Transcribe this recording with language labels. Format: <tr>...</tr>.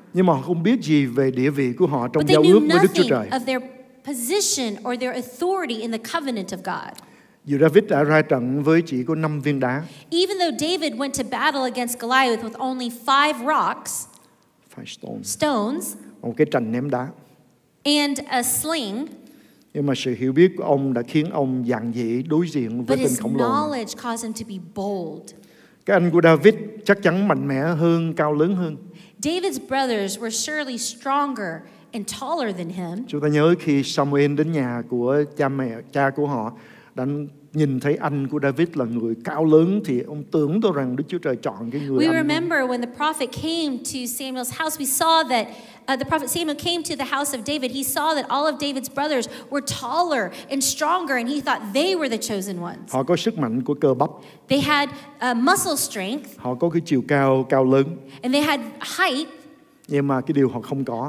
<vi>Nhưng mà không biết gì về địa vị của họ trong giao ước với Đức Chúa Trời.</vi> <en>Of their position or their authority in the covenant of God.</en> <vi>Dù David đã ra trận với chỉ có 5 viên đá.</vi> <en>Even though David went to battle against Goliath with only 5 rocks. Stones.</en> <vi>Một cái trành ném đá.</vi> <en>And a sling.</en> <vi>Nhưng mà sự hiểu biết của ông đã khiến ông dạn dĩ đối diện với tên khổng lồ.</vi> <en>But his knowledge caused him to be bold.</en> <vi>Cái anh của David chắc chắn mạnh mẽ hơn, cao lớn hơn.</vi> <en>David's brothers were surely stronger and taller than him.</en> <vi>Chúng ta nhớ khi Samuel đến nhà của cha mẹ, cha của họ, đã nhìn thấy anh của David là người cao lớn thì ông tưởng đâu rằng Đức Chúa Trời chọn cái người anh.</vi> <en>We remember when the prophet came to Samuel's house, we saw that the prophet Samuel came to the house of David. He saw that all of David's brothers were taller and stronger, and he thought they were the chosen ones.</en> <vi>Họ có sức mạnh của cơ bắp.</vi> <en>They had muscle strength.</en> <vi>Họ có cái chiều cao cao lớn.</vi> <en>And they had height.</en> <vi>Nhưng mà cái điều họ không có.</vi>